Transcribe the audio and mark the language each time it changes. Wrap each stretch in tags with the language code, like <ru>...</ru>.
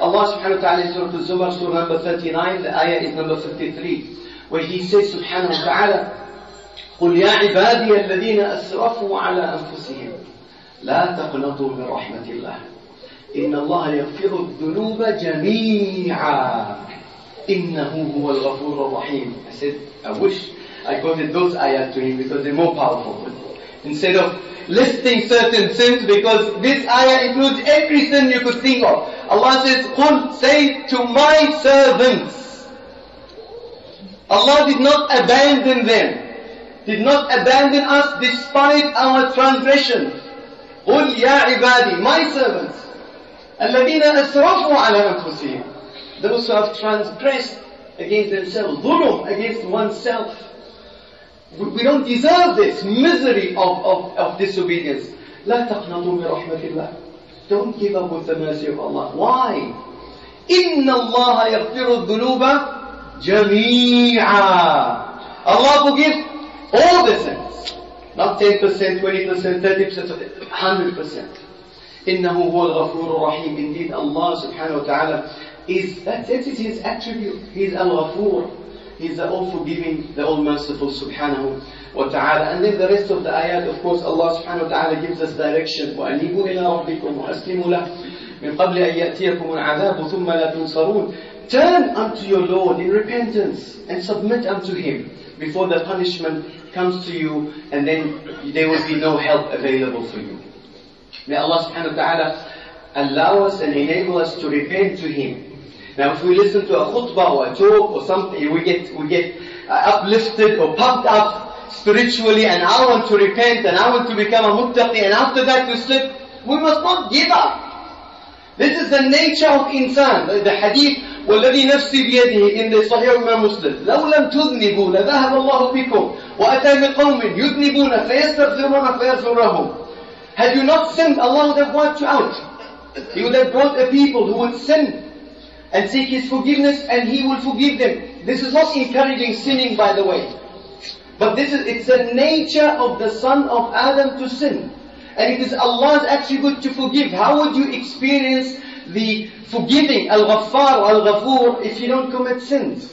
<en>Allah subhanahu wa ta'ala in Surah Al-Zumar, Surah number 39, the ayat is number 53, where He says subhanahu wa ta'ala,</en> <ar>قُلْ يَا عِبَادِيَ الَّذِينَ أَسْرَفُوا عَلَىٰ أَنفُسِهِمْ لَا تَقْنَطُوا مِنْ رَحْمَةِ اللَّهِ إِنَّ اللَّهَ يَغْفِرُ الذُّنُوبَ جَمِيعًا إِنَّهُ هُوَ الْغَفُورُ الرَّحِيمُ.</ar> <en>I said, I wish I quoted those ayat to him because they're more powerful. Instead of listing certain sins, because this ayah includes every sin you could think of. Allah says, قُلْ say to my servants. Allah did not abandon them. Did not abandon us despite our transgression.</en> <ar>قُلْ يَا عِبَادِي,</ar> <en>my servants.</en> <ar>الَّذِينَ أَسْرَفُوا عَلَىٰ أَنفُسِهِمْ,</ar> <en>those who have transgressed against themselves, ظُلُمْ, against oneself. We don't deserve this misery of disobedience.</en> <ar>لا تقنطوا من رحمة الله.</ar> <en>Don't give up with the mercy of Allah. Why?</en> <ar>إن الله يغفر الذنوب جميعا.</ar> <en>Allah will give all the sins. Not 10%, 20%, 30%, 100%.</en> <ar>إِنَّهُ هُوَ الْغَفُورُ الرَّحِيمُ.</ar> <en>Indeed, Allah subhanahu wa ta'ala is, that is His attribute. He is al-ghafoor. He is the all-forgiving, the all-merciful subhanahu wa ta'ala. And then the rest of the ayat, of course, Allah subhanahu wa ta'ala gives us direction.</en> <ar>وَأَنِيبُوا إِلَىٰ رَبِّكُمْ وَأَسْلِمُوا لَهُ مِنْ قَبْلِ أَنْ يَأْتِيَكُمُ الْعَذَابُ ثُمَّ لَا تُنْصَرُونَ.</ar> <en>Turn unto your Lord in repentance and submit unto Him before the punishment comes to you, and then there will be no help available for you. May Allah subhanahu wa ta'ala allow us and enable us to repent to Him. Now if we listen to a khutbah or a talk or something, we get uplifted or pumped up spiritually, and I want to repent and I want to become a muttaqi, and after that we slip, we must not give up. This is the nature of insan.</en> <ar>The hadith, وَالَّذِي نَفْسِي بِيَدِهِ</ar> <en>in the Sahih Imam Muslim,</en> <ar>لَوْ لَمْ تُذْنِبُوا لَذَهَبَ اللَّهُ بِكُمْ وَأَتَى بِقَوْمٍ يُذْنِبُونَ فَيَسْتَغْفِرُونَ فَيَغْفِرُهُمْ.</ar> <en>Had you not sinned, Allah would have wiped you out. He would have brought a people who would sin and seek His forgiveness, and He will forgive them. This is not encouraging sinning, by the way. But this is, it's the nature of the son of Adam to sin. And it is Allah's attribute to forgive. How would you experience the forgiving, al-ghaffar, al-ghafoor, if you don't commit sins?</en>